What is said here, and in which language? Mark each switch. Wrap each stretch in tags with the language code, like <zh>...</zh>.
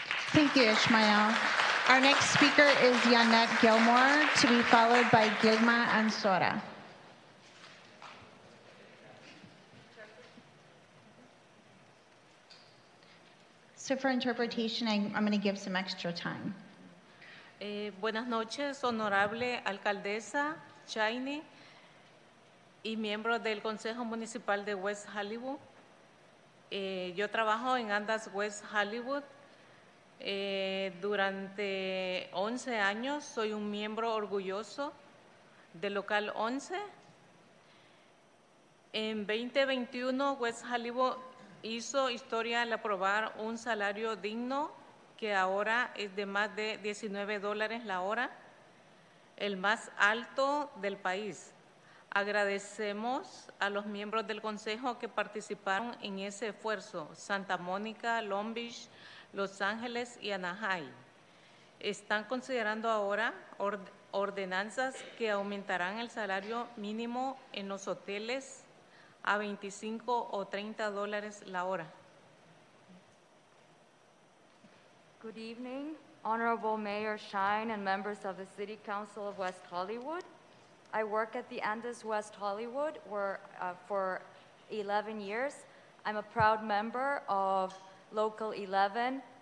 <en>Thank you, Ishmael. Our next speaker is Yannette Gilmore, to be followed by Gilma Ansora. So for interpretation, I'm going to give some extra time.</en> <es>Buenas noches, honorable alcaldesa Chaney y miembro del Consejo Municipal de West Hollywood. Yo trabajo en Andas West Hollywood. Durante 11 años soy un miembro orgulloso de Local 11. En 2021, West Hollywood hizo historia al aprobar un salario digno que ahora es de más de $19 la hora, el más alto del país. Agradecemos a los miembros del Consejo que participaron en ese esfuerzo, Santa Mónica, Long Beach, Los Ángeles y Anaheim. Están considerando ahora ordenanzas que aumentarán el salario mínimo en los hoteles a $25 o $30 la hora.</es> <en>Good evening, Honorable Mayor Schein and members of the City Council of West Hollywood. I work at the Andes West Hollywood for 11 years. I'm a proud member of Local 11.</en>